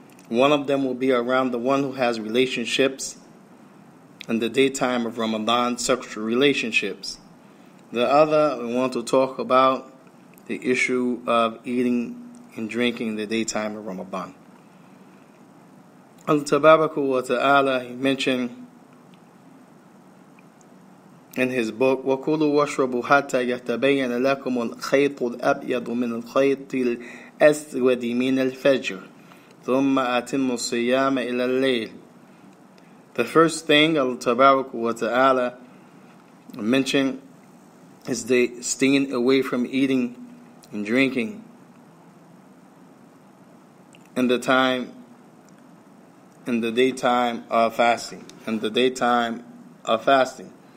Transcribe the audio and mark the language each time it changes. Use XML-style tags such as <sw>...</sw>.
<en>One of them will be around the one who has relationships in the daytime of Ramadan, sexual relationships. The other, we want to talk about the issue of eating and drinking in the daytime of Ramadan.</en> <ar>Allah tabaraka wa ta'ala,</ar> <en>he mentioned in his book,</en> <ar>وَكُلُوا وَشْرَبُوا حَتَّى يَتَبَيَّنَ لَكُمُ الْخَيْطُ الْأَبْيَضُ مِنَ الْخَيْطِ الْأَسْوَدِ مِنَ الْفَجْرِ ثُمَّ أَتِمُّ الصِّيَامَ إِلَى اللَّيْلِ.</ar> <en>The first thing Allah Tabaraka wa Ta'ala mentioned is the staying away from eating and drinking in the time, in the daytime of fasting, in the daytime of fasting.</en>